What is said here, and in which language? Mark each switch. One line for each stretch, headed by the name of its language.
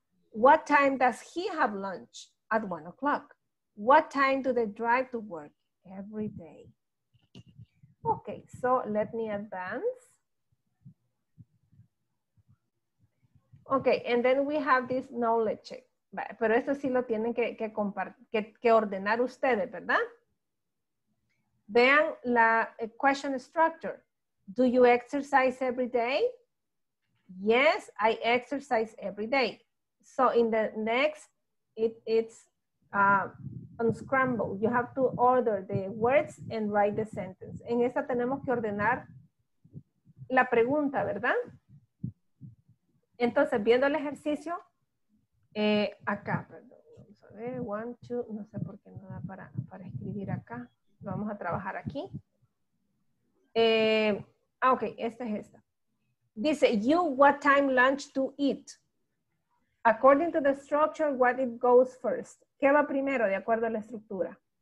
English: What time does he have lunch? At 1 o'clock. What time do they drive to work? Every day. Okay, so let me advance. Okay, and then we have this knowledge check.
Spanish: Pero esto sí lo tienen que ordenar ustedes, ¿verdad? Vean la question structure.
English: Do you exercise every day? Yes, I exercise every day. So in the next, it's unscramble. You have to order the words and write the sentence.
Spanish: En esta tenemos que ordenar la pregunta, ¿verdad? Entonces, viendo el ejercicio, acá, perdón, vamos a ver, 1, 2, no sé por qué no da para escribir acá. Vamos a trabajar aquí. Ok, esta es esta. Dice,
English: you what time lunch to eat? According to the structure, what it goes first?
Spanish: ¿Qué va primero de acuerdo a la estructura?